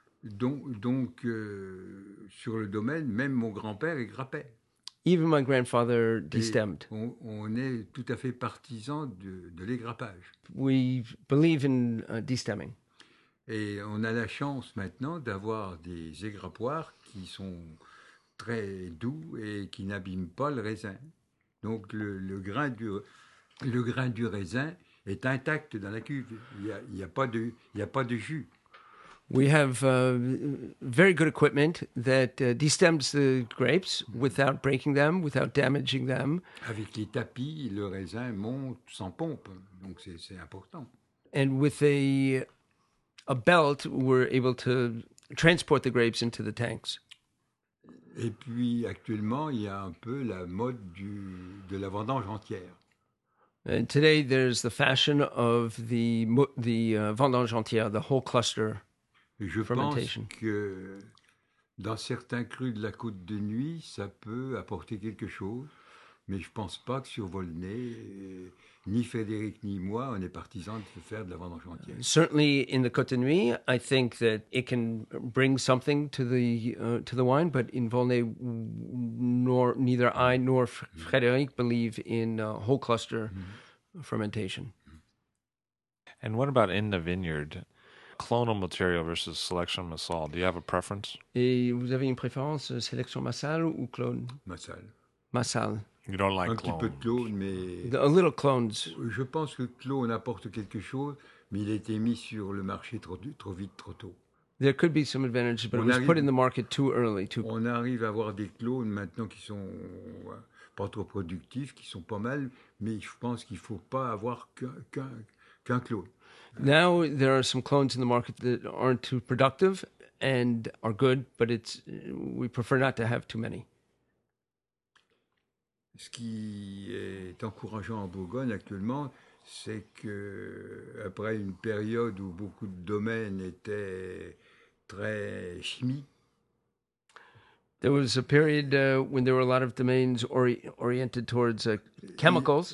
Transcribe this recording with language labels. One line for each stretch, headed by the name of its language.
French: Donc, sur le domaine, même mon grand-père égrappait.
English: Even my grandfather destemmed.
French: On est tout à fait partisans de l'égrappage.
English: We believe in destemming.
French: Et on a la chance maintenant d'avoir des égrappoirs qui sont très doux et qui n'abîment pas le raisin. Donc le grain du raisin est intact dans la cuve. Il y a pas de jus.
English: We have very good equipment that destems the grapes without breaking them, without damaging them.
French: Avec les tapis, le raisin monte sans pompe, donc c'est important.
English: And with a belt, we're able to transport the grapes into the tanks.
French: Et puis actuellement, il y a un peu la mode de la vendange entière.
English: And today there's the fashion of the vendange entière, the whole cluster.
French: Je pense que dans certains crus de la côte de nuit, ça peut apporter quelque chose. Mais je ne pense pas que sur Volnay, ni Frédéric ni moi, on est partisans de faire de la vendange entière.
English: Certainly, in the côte de nuit, I think that it can bring something to the wine. But in Volnay, neither I nor Frédéric believe in whole cluster fermentation. And what about in the vineyard? Clonal material versus selection massale. Do you have a preference?
French: Et vous avez une préférence, sélection massale ou clone? Massale. Massale.
English: You don't like
French: un
English: clones.
French: Un petit peu de clone, mais...
English: A little clones.
French: Je pense que clone apporte quelque chose, mais il a été mis sur le marché trop vite, trop tôt.
English: There could be some advantages, but it was put in the market too early.
French: On arrive à avoir des clones maintenant qui sont pas trop productifs, qui sont pas mal, mais je pense qu'il faut pas avoir qu'un clone.
English: Now there are some clones in the market that aren't too productive and are good, but we prefer not to have too many.
French: Ce qui est encourageant en Bourgogne actuellement, c'est que après une période où beaucoup de domaines étaient très chimiques.
English: There was a period when there were a lot of domains oriented towards chemicals.